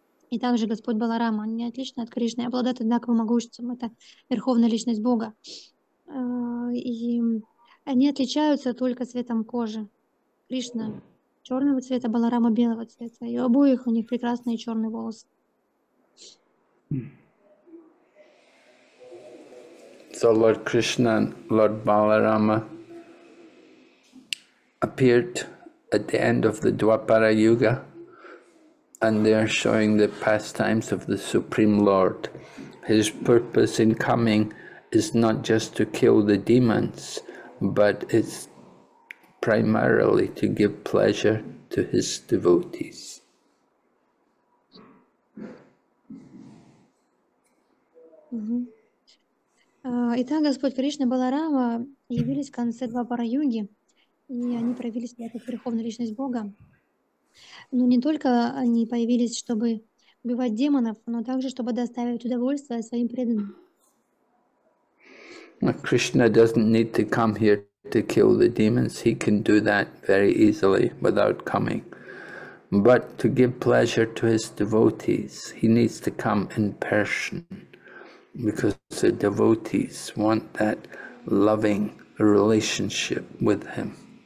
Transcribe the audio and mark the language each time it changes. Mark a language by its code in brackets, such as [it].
[ru] И также Господь Баларама, они отличны от Кришны, обладают одинаковым могуществом, это верховная личность Бога. И они отличаются только цветом кожи. Кришна черного цвета, Баларама белого цвета, и у обоих у них прекрасные черные волосы. [en] So Lord Krishna and Lord Balarama appeared at the end of the Dwapara Yuga, and they are showing the pastimes of the Supreme Lord. His purpose in coming is not just to kill the demons, but it's primarily to give pleasure to his devotees. Mm-hmm. [ru] Итак, Господь Кришна Баларама явились в конце Двапара-юги, и они проявились себя как Верховная Личность Бога. Но не только они появились, чтобы убивать демонов, но также, чтобы доставить удовольствие своим преданным. [en] Krishna doesn't need to come here to kill the demons. He can do that very easily without coming. But to give pleasure to his devotees, he needs to come in person, because the devotees want that loving relationship with him.